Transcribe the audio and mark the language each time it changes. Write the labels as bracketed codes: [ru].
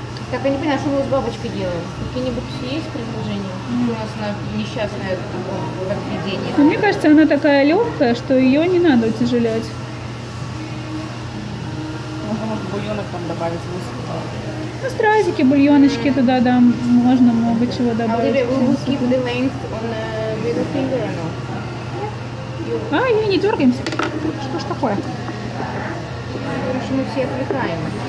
[ru] Так, я не понимаю, что мы с бабочкой делаем? Какие-нибудь есть предложения? У нас она несчастная в таком отведении. Мне кажется, она такая легкая, что ее не надо утяжелять. Может, бульонок там добавить? Ну, стразики, бульоночки туда дам. Можно много чего добавить. [en] Will we keep the length on the finger or not? [ru] Yeah. А, не дергаемся. Что ж такое? Потому что мы все отвлекаем.